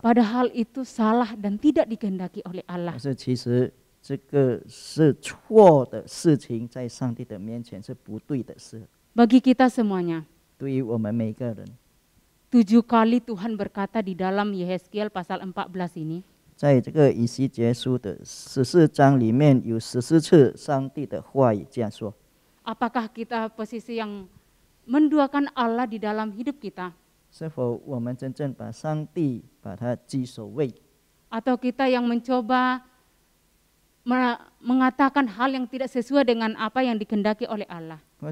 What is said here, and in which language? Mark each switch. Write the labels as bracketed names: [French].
[Indonesian] Padahal itu salah dan tidak dikehendaki oleh Allah. [Chinese] 但是其实这个是错的事情，在上帝的面前是不对的事。 [Indonesian] Bagi kita semuanya. [Chinese] 对于我们每个人。 [Indonesian] 7 kali Tuhan berkata di dalam Yehezkiel pasal 14 ini. [Chinese] 在这个以西结书的14章里面有14次上帝的话语这样说。 [Indonesian] Apakah kita posisi yang menduakan Allah di dalam hidup kita? [Chinese] 是否我们真正把上帝把他居首位？ [Indonesian] Atau kita yang mencoba mengatakan hal yang tidak sesuai dengan apa yang dikehendaki oleh Allah?